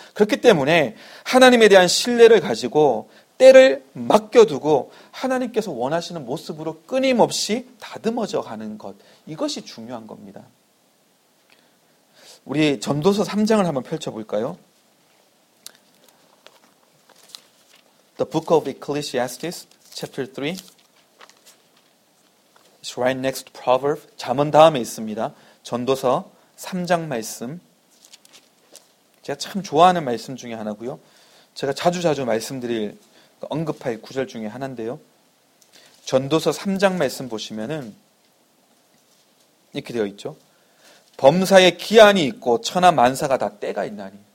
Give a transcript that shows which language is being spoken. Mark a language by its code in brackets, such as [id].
[ko] 그렇기 때문에 하나님에 대한 신뢰를 가지고 때를 맡겨두고 하나님께서 원하시는 모습으로 끊임없이 다듬어져 가는 것. 이것이 중요한 겁니다. 우리 전도서 3장을 한번 펼쳐볼까요? [en] The book of Ecclesiastes, chapter 3. It's right next to Proverbs. [ko] 잠언 다음에 있습니다. 전도서 3장 말씀. 제가 참 좋아하는 말씀 중에 하나고요. 제가 자주 말씀드릴, 언급할 구절 중에 하나인데요. 전도서 3장 말씀 보시면은 이렇게 되어 있죠. 범사에 기한이 있고 천하 만사가 다 때가 있나니.